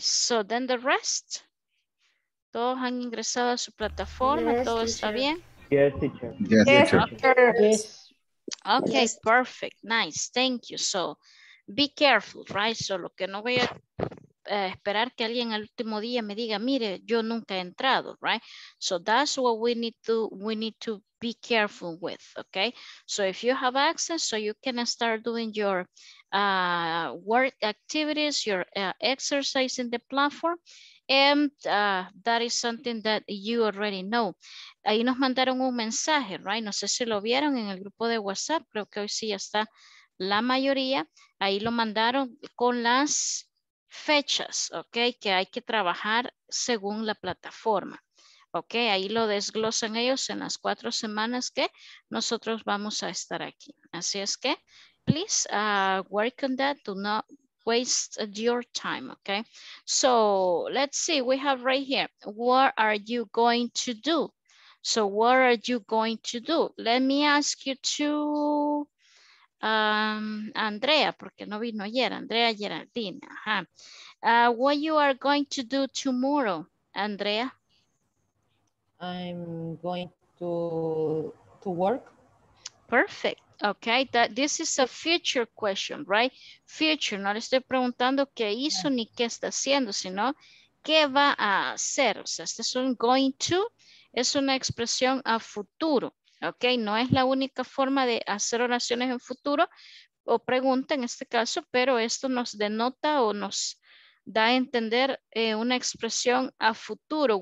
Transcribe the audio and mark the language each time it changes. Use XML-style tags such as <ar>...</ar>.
<es>So then the rest. Todos han ingresado a su plataforma. Yes, todo</es> <en>teacher.</en> <es>Está bien.</es> <en>Yes, teacher. Yes, teacher. Okay. Yes. Ok, perfect. Nice. Thank you. So be careful, right?</en> <es>Solo que no voy a esperar que alguien al último día me diga, mire, yo nunca he entrado, right?</es> <en>So that's what we need to be careful with, okay? So if you have access, so you can start doing your work activities, your exercise in the platform, and that is something that you already know.</en> <es>Ahí nos mandaron un mensaje, right? No sé si lo vieron en el grupo de WhatsApp, creo que hoy sí ya está la mayoría. Ahí lo mandaron con las fechas, ok, que hay que trabajar según la plataforma, ok, ahí lo desglosan ellos en las 4 semanas que nosotros vamos a estar aquí, así es que, please</es> <en>work on that, do not waste your time, ok, so let's see, we have right here, what are you going to do, so what are you going to do, let me ask you to Andrea, porque no vino ayer, Andrea Geraldine. Ajá. What you are going to do tomorrow, Andrea? I'm going to work. Perfect. Okay, that this is a future question, right?</en> <es>Future, no le estoy preguntando qué hizo ni qué está haciendo, sino qué va a hacer. O sea, este es un going to, es una expresión a futuro. Ok, no es la única forma de hacer oraciones en futuro o pregunta en este caso, pero esto nos denota o nos da a entender una expresión a futuro.</es>